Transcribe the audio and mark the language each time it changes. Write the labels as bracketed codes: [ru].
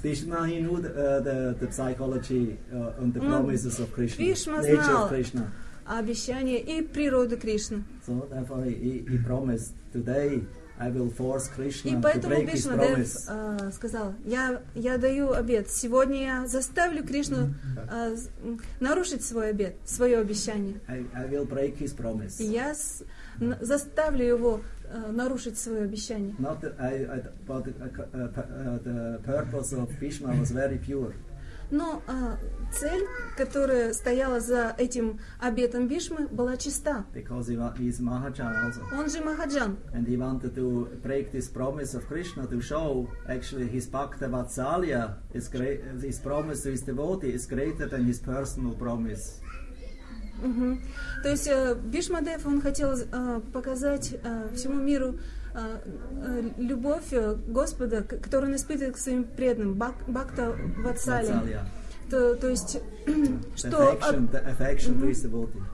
[en] Bhishma, he knew the psychology and the promises of Krishna. Bhishma nature [ru] знал. [en] Of Krishna. [ru] Обещание и природу Кришны. [en] So therefore he promised, today I will force Krishna to break his promise. [ru] И поэтому Бхишмадев сказал: я даю обет. Сегодня я заставлю Кришну нарушить свой обет, свое обещание. [en] I will break his promise. [ru] Я заставлю его нарушить свое обещание. [en] Not that the purpose of Bhishma was very pure. [ru] Но цель, которая стояла за этим обетом Бхишмы, была чиста. [en] Because he is Mahajan also. [ru] Он же Махаджан. [en] And he wanted to break this promise of Krishna to show actually his Bhakta Vatsalya is great, his promise to his devotee is greater than his personal promise. [ru] То есть Бхишмадев, он хотел показать всему миру любовь Господа, которую он испытывает к своим преданным, бхакта ватсалья. То есть, что [en] affection,